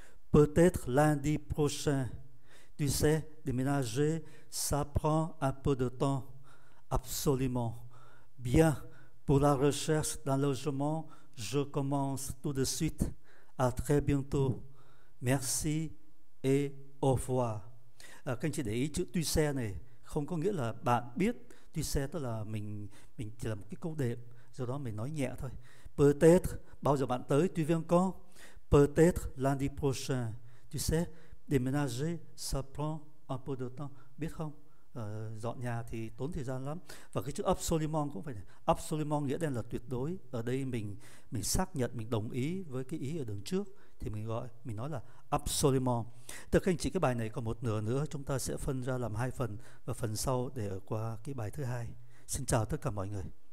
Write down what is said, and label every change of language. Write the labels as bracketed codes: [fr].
[fr] Peut-être lundi prochain. Tu sais, déménager, ça prend un peu de temps. Absolument. Bien, pour la recherche d'un logement, je commence tout de suite. À très bientôt. Merci et au revoir. [vi] Các anh chị để ý chữ tuy xe này không có nghĩa là bạn biết. Tuy xe tức là mình chỉ là một cái câu đệm, do đó mình nói nhẹ thôi. [fr] Peut-être, [vi] bao giờ bạn tới? [fr] Tu viens quand? Peut-être lundi prochain. Tu sais, Déménager, ça prend un peu de temps, [vi] biết không? Dọn nhà thì tốn thời gian lắm. Và cái chữ absolument cũng phải, absolument nghĩa đen là tuyệt đối. Ở đây mình xác nhận, mình đồng ý với cái ý ở đằng trước thì mình nói là absolument. Thưa các anh chị, cái bài này còn một nửa nữa, chúng ta sẽ phân ra làm hai phần và phần sau để ở qua cái bài thứ hai. Xin chào tất cả mọi người.